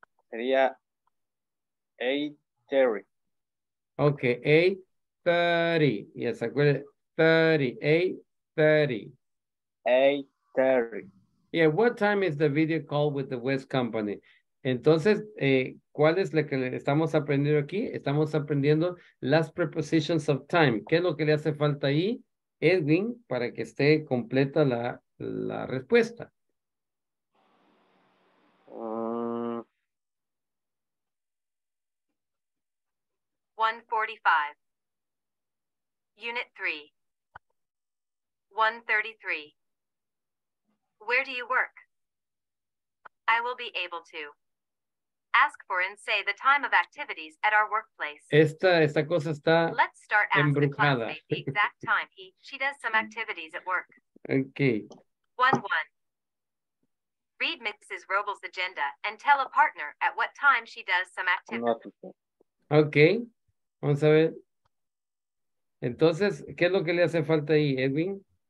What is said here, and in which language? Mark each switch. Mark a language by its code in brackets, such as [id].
[es] Sería 8:30. Okay, 8:30. Yes, acuérdate. 8:30. Terry. [en] Yeah, what time is the video call with the West Company? [es] Entonces, ¿cuál es lo que estamos aprendiendo aquí? Estamos aprendiendo las [en] prepositions of time. [es] ¿Qué es lo que le hace falta ahí, Edwin, para que esté completa la, la respuesta? [en] Unit 3. 133. Where do you work? I will be able to. Ask for and say the time of activities at our workplace. [es] Esta cosa está embrujada. [en] Let's start asking the classmate the exact time she does some activities at work. Okay. 1-1. Read Mrs. Robles' agenda and tell a partner at what time she does some activities. [es] Okay. Vamos a ver. Entonces, ¿qué es lo que le hace falta ahí, Edwin?